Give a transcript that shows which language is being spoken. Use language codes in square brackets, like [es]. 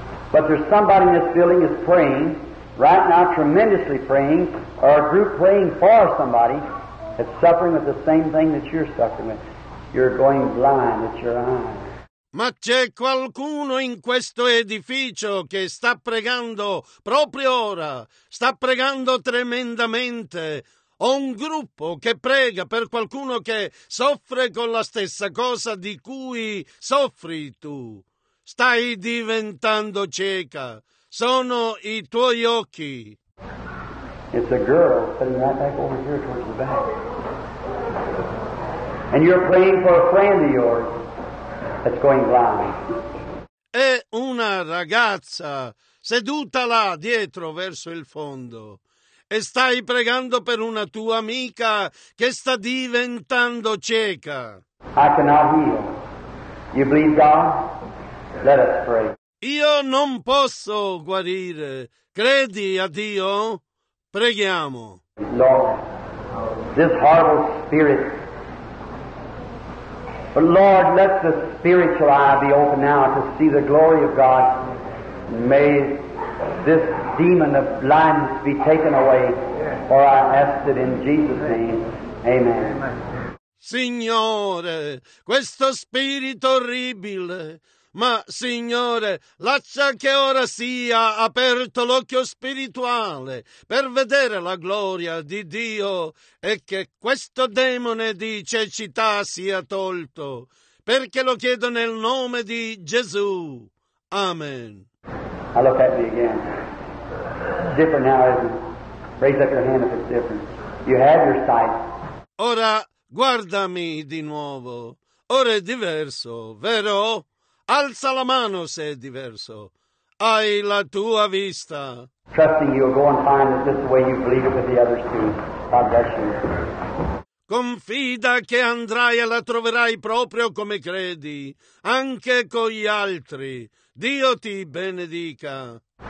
[en] But there's somebody in this building is praying, right now tremendously praying, or a group praying for somebody that's suffering with the same thing that you're suffering with. You're going blind at your eye. [it] Ma c'è qualcuno in questo edificio che sta pregando proprio ora, sta pregando tremendamente. Ho un gruppo che prega per qualcuno che soffre con la stessa cosa di cui soffri tu. stai diventando cieca. Sono I tuoi occhi. [en] It's a girl sitting right back over here towards the back. And you're praying for a friend of yours that's going blind. [it] È una ragazza seduta là dietro verso il fondo. E stai pregando per una tua amica che sta diventando cieca. [en] I cannot heal. You believe God? Let us pray. [it] Io non posso guarire. Credi a Dio? Preghiamo. [en] Lord, this horrible spirit. But Lord, let the spiritual eye be open now to see the glory of God. May this demon of blindness be taken away, for I ask it in Jesus' name. Amen. [it] Signore, questo spirito orribile. Ma, Signore, lascia che ora sia aperto l'occhio spirituale per vedere la gloria di Dio e che questo demone di cecità sia tolto, perché lo chiedo nel nome di Gesù. Amen. [en] I look at you again. Different now, isn't it? Raise up your hand if it's different. You have your sight. [it] Ora, guardami di nuovo. Ora è diverso, vero? Alza la mano se è diverso. Hai la tua vista. [en] Trusting you'll go and find it just the way you believe it with the others too. God bless you. [it] Confida che andrai e la troverai proprio come credi, anche con gli altri. Dio ti benedica.